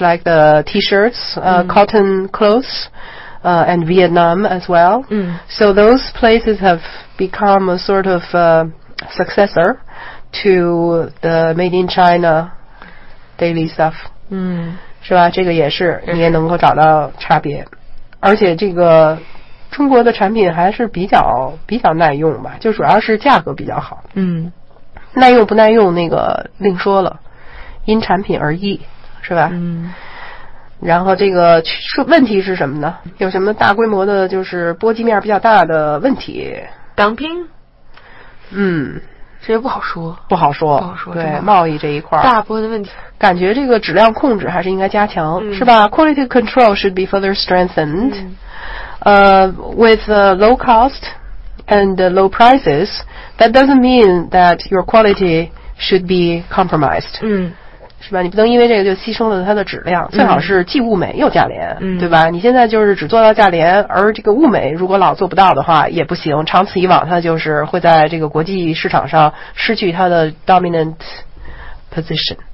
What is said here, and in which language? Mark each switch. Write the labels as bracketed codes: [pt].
[en] like the t-shirts,、cotton clothes,、and Vietnam as well.、So those places have become a sort of、successor to the made in China daily stuff.、 [zh] 是吧这个也是你也能够找到差别。而且这个中国的产品还是比较耐用吧就主要是价格比较好。耐用不耐用那个另说了。因产品而异是吧嗯然后这个问题是什么呢有什么大规模的就是波及面比较大的问题当兵嗯这也不好说不好说不好说对贸易这一块大部分的问题感觉这个质量控制还是应该加强、是吧 [en] quality control should be further strengthened、with low cost and low prices that doesn't mean that your quality should be compromised [zh] 嗯是吧你不能因为这个就牺牲了它的质量最好是既物美又价廉、对吧你现在就是只做到价廉而这个物美如果老做不到的话也不行长此以往它就是会在这个国际市场上失去它的 [en] dominant position